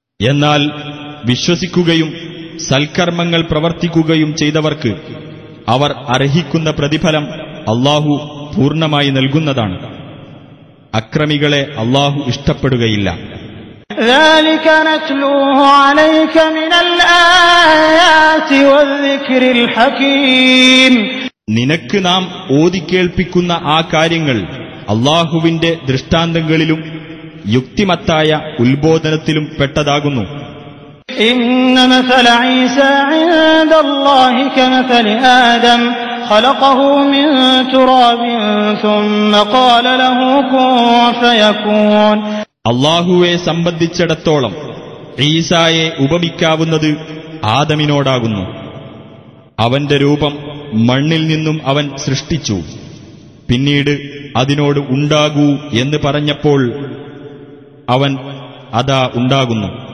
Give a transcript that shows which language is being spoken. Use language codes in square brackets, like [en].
[ml] എന്നാൽ വിശ്വസിക്കുകയും സൽക്കർമ്മങ്ങൾ പ്രവർത്തിക്കുകയും ചെയ്തവർക്ക് അവർ അർഹിക്കുന്ന പ്രതിഫലം അല്ലാഹു പൂർണ്ണമായി നൽകുന്നതാണ്. അക്രമികളെ അല്ലാഹു ഇഷ്ടപ്പെടുകയില്ല. [ar] ذلك نتلوه عليك من الآيات والذكر الحكيم. [ml] നിനക്ക് നാം ഓതിക്കേൽപ്പിക്കുന്ന ആ കാര്യങ്ങൾ അല്ലാഹുവിന്റെ ദൃഷ്ടാന്തങ്ങളിലും യുക്തിമത്തായ ഉത്ബോധനത്തിലും പെട്ടതാകുന്നു. [ar] ان مثل عيسى عند الله كمثل ادم خلقه من تراب ثم قال له كن فيكون. [ml] അല്ലാഹുവെ സംബന്ധിച്ചിടത്തോളം ഈസായെ ഉപമിക്കാവുന്നത് ആദമിനോടാകുന്നു. അവന്റെ രൂപം മണ്ണിൽ നിന്നും അവൻ സൃഷ്ടിച്ചു, പിന്നീട് അതിനോട് ഉണ്ടാകൂ എന്ന് പറഞ്ഞപ്പോൾ അവൻ അതാ ഉണ്ടാകുന്നു.